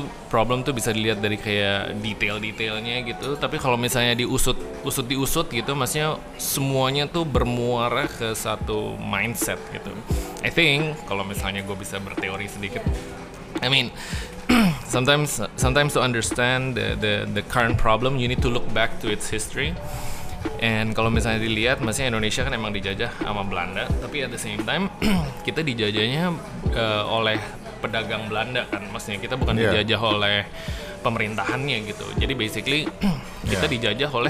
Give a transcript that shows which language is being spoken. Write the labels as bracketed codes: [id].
[id] problem tuh bisa dilihat dari kayak detail-detailnya gitu. Tapi kalau misalnya diusut gitu, maksudnya semuanya tuh bermuara ke satu mindset gitu. [en] I think [id] kalau misalnya gue bisa berteori sedikit, [en] I mean sometimes to understand the current problem, you need to look back to its history. [id] And kalau misalnya dilihat, maksudnya Indonesia kan emang dijajah sama Belanda, tapi [en] at the same time [id] kita dijajahnya oleh pedagang Belanda kan, maksudnya kita bukan dijajah oleh pemerintahannya gitu. Jadi basically kita dijajah oleh